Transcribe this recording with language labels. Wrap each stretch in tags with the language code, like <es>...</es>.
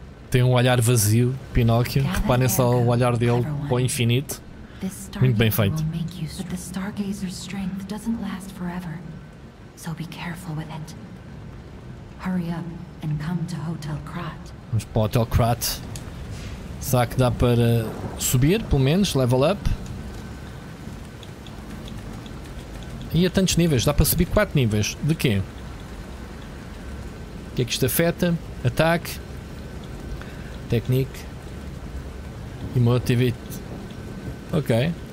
<pt>Tem um olhar vazio, Pinóquio. Reparem só o olhar dele para o infinito. Muito bem feito.</pt> <en>But the stargazer's strength doesn't last forever. So be careful with it. Hurry up and come to Hotel Krat.</en> <pt>Vamos para o Hotel Krat. Será que dá para subir, pelo menos, level up? E há tantos níveis, dá para subir 4 níveis. De quê? O que é que isto afeta? Ataque. Technique. Emotivity. Ok.</pt>